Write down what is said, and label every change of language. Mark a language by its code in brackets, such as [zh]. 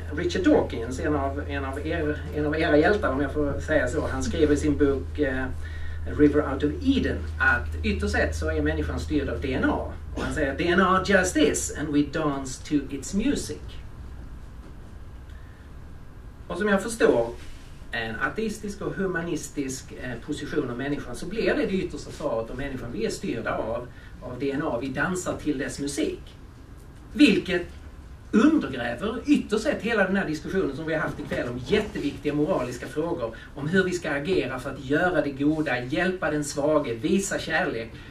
[sv] Richard Dawkins, en av era hjältar om jag får säga så, han skriver i sin bok River Out of Eden, att ytterst sett så är människan styrd av DNA. Och han säger, [en] DNA just is, and we dance to its music. [sv] Och som jag förstår en ateistisk och humanistisk position av människan, så blir det yttersta svaret om människan vi är styrda av DNA, vi dansar till dess musik. Vilket undergräver ytterst sett hela den här diskussionen som vi har haft ikväll om jätteviktiga moraliska frågor om hur vi ska agera för att göra det goda, hjälpa den svage, visa kärlek.